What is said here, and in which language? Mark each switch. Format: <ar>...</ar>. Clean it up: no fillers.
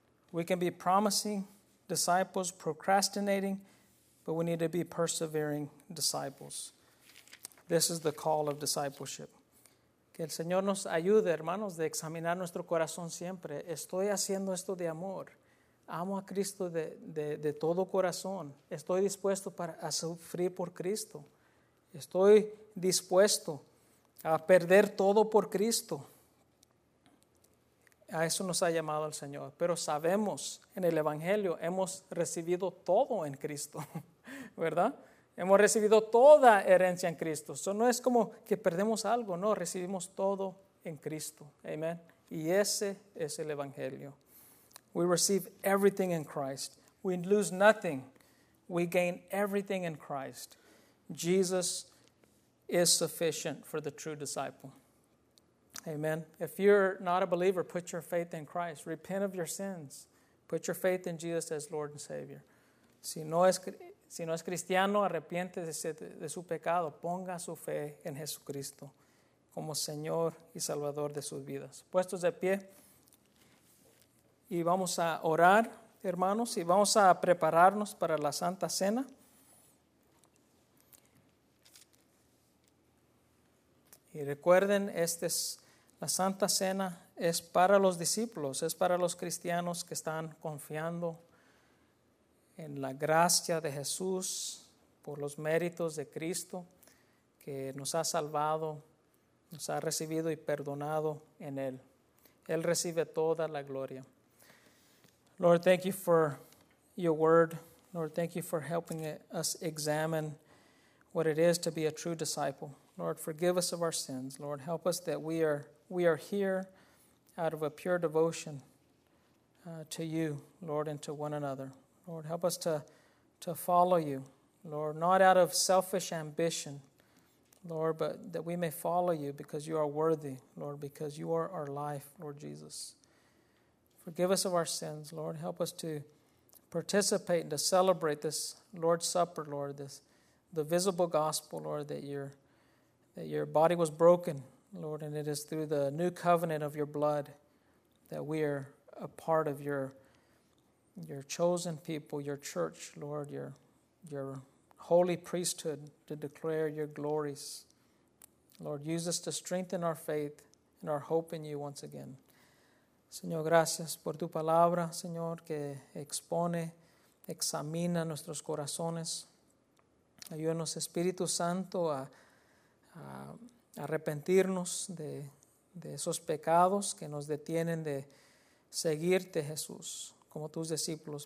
<en>We can be promising disciples, procrastinating, but we need to be persevering disciples. This is the call of discipleship.</en> <es>Que el Señor nos ayude, hermanos, de examinar nuestro corazón siempre. Estoy haciendo esto de amor. Amo a Cristo de todo corazón. Estoy dispuesto a sufrir por Cristo. Estoy dispuesto a perder todo por Cristo. A eso nos ha llamado el Señor. Pero sabemos, en el Evangelio, hemos recibido todo en Cristo, ¿verdad? Hemos recibido toda herencia en Cristo. Eso no es como que perdemos algo, no, recibimos todo en Cristo. Amen. Y ese es el Evangelio.</es> <en>We receive everything in Christ. We lose nothing. We gain everything in Christ. Jesus is sufficient for the true disciple. Amen. If you're not a believer, put your faith in Christ. Repent of your sins. Put your faith in Jesus as Lord and Savior.</en> <es>Si no es cristiano, arrepiéntese de su pecado. Ponga su fe en Jesucristo como Señor y Salvador de sus vidas. Puestos de pie, y vamos a orar, hermanos, y vamos a prepararnos para la Santa Cena. Y recuerden, la Santa Cena es para los discípulos, es para los cristianos que están confiando en la gracia de Jesús, por los méritos de Cristo, que nos ha salvado, nos ha recibido y perdonado en Él. Él recibe toda la gloria.</es> <en>Lord, thank you for your word. Lord, thank you for helping us examine what it is to be a true disciple. Lord, forgive us of our sins. Lord, help us that we are here out of a pure devotion to you, Lord, and to one another. Lord, help us to follow you, Lord, not out of selfish ambition, Lord, but that we may follow you because you are worthy, Lord, because you are our life, Lord Jesus. Forgive us of our sins, Lord. Help us to participate and to celebrate this Lord's Supper, Lord, the visible gospel, Lord, that your body was broken, Lord, and it is through the new covenant of your blood that we are a part of your chosen people, your church, Lord, your holy priesthood to declare your glories. Lord, use us to strengthen our faith and our hope in you once again.</en> <es>Señor, gracias por tu palabra, Señor, que expone, examina nuestros corazones. Ayúdanos, Espíritu Santo, a arrepentirnos de esos pecados que nos detienen de seguirte, Jesús, como tus discípulos.</es>